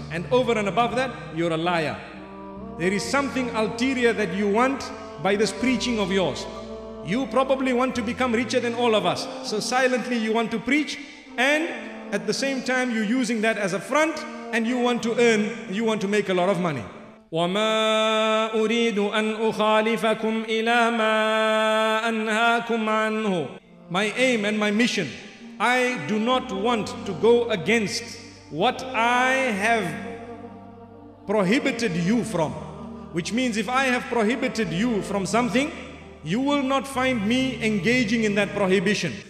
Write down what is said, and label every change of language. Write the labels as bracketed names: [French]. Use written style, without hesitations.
[English] And over and above that, you're a liar. There is something ulterior that you want by this preaching of yours. You probably want to become richer than all of us. So silently you want to preach, and at the same time you're using that as a front, and you want to earn, you want to make a lot of money. [Arabic] وَمَا أُرِيدُ أَنْ أُخَالِفَكُمْ إِلَى مَا أَنْهَاكُمْ عَنْهُ. [English] My aim and my mission, I do not want to go against what I have prohibited you from. Which means if I have prohibited you from something, you will not find me engaging in that prohibition.